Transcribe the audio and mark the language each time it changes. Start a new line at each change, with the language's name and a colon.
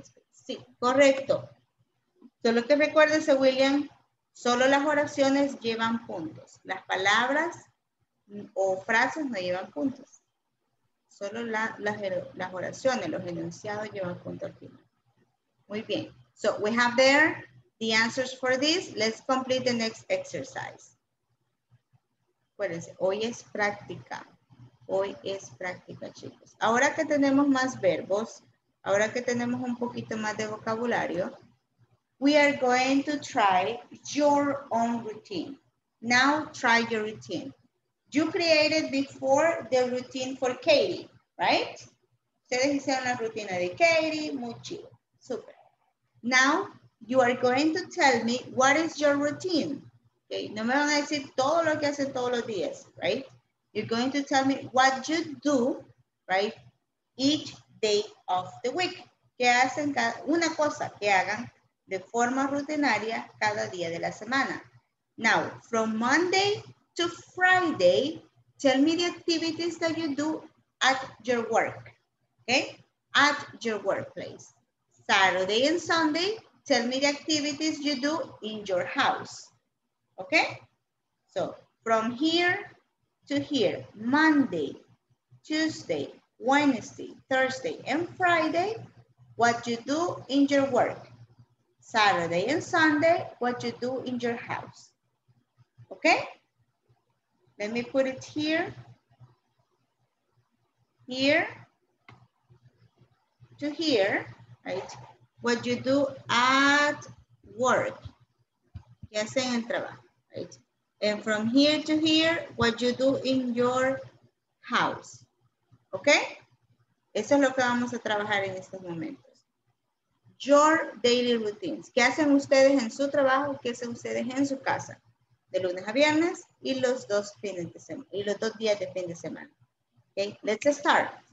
Spanish: Sí, correcto. Solo que recuérdese, William, solo las oraciones llevan puntos. Las palabras o frases no llevan puntos. Solo las oraciones, los enunciados llevan puntos al final. Muy bien.
English: So we have there the answers for this. Let's complete the next exercise.
Spanish: Acuérdense, hoy es práctica. Hoy es práctica, chicos. Ahora que tenemos más verbos, ahora que tenemos un poquito más de vocabulario,
English: We are going to try your own routine. Now try your routine. You created before the routine for Katie, right?
Spanish: Ustedes hicieron la rutina de Katie, muy chido, super.
English: Now you are going to tell me what is your routine.
Spanish: Okay, no me van a decir todo lo que hacen todos los días, right?
English: You're going to tell me what you do, right? Each day of the week.
Spanish: ¿Qué hacen cada, una cosa que hagan de forma rutinaria cada día de la semana?
English: Now, from Monday to Friday, tell me the activities that you do at your work, okay? At your workplace. Saturday and Sunday, tell me the activities you do in your house, okay? So, from here to here, Monday, Tuesday, Wednesday, Thursday, and Friday, what you do in your work. Saturday and Sunday, what you do in your house. Okay? Let me put it here. Here to here, right? What you do at work.
Spanish: ¿Qué hacen en trabajo?
English: Right? And from here to here, what you do in your house. Okay?
Spanish: Eso es lo que vamos a trabajar en estos momentos.
English: Your daily routines.
Spanish: ¿Qué hacen ustedes en su trabajo? ¿Qué hacen ustedes en su casa? De lunes a viernes y los dos fines de semana, y los dos días de fin de semana.
English: Okay, let's start.